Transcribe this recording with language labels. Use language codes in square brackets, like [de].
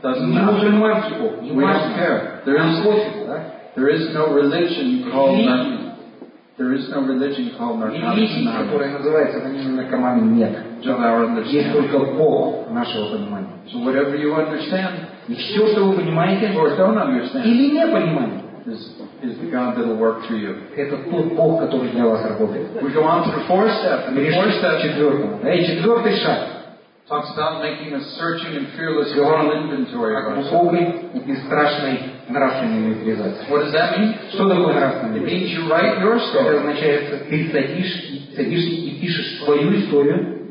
[ru] Не мусульманский Бог. [en] We don't care. There is no religion called Narcotics. There is no religion called Narcotics Anonymous. [ru] Есть только Бог нашего понимания. [en] So whatever you understand, [ru] и все, что вы понимаете, [en] or don't understand, [ru] или не понимаете, [en] is the God that will work for you. [ru] Это тот Бог, который для вас работает. [en] We go on to the fourth step. The fourth step, [ru] четвертый шаг. [en] Talks about making a searching and fearless moral inventory of ourselves. What does that mean? [ru] Что такое нравственный? [en] It means you write your story. [ru] Это означает, ты садишься и пишешь свою историю.